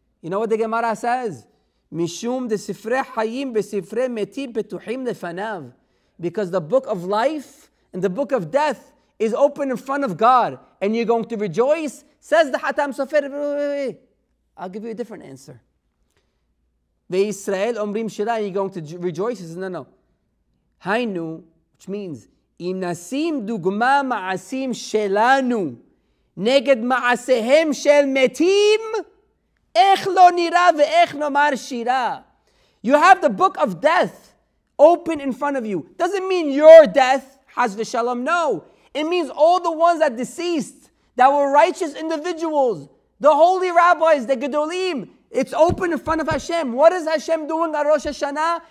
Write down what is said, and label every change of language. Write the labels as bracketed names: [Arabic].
[English] You know what the Gemara says? [Hebrew] Mishum de sifre hayim be sifre metim betuhim lefanav. [English] Because the book of life and the book of death is open in front of God. And you're going to rejoice? Says the Hatam Sofer. I'll give you a different answer. [Hebrew] Ve Yisrael omrim shira, [English] you're going to rejoice? He says, no. [Hebrew] Hainu, [English] which means, [Hebrew] אם נשים דוגמה מעשים שלנו נגד מעשיהם של מתים, איך לא נראה ואיך נאמר שירה? [English] You have the book of death open in front of you. Doesn't mean your death, Haz v'shalom, no. It means all the ones that deceased, that were righteous individuals, the holy rabbis, the gedolim. It's open in front of Hashem. What is Hashem doing at Rosh Hashanah?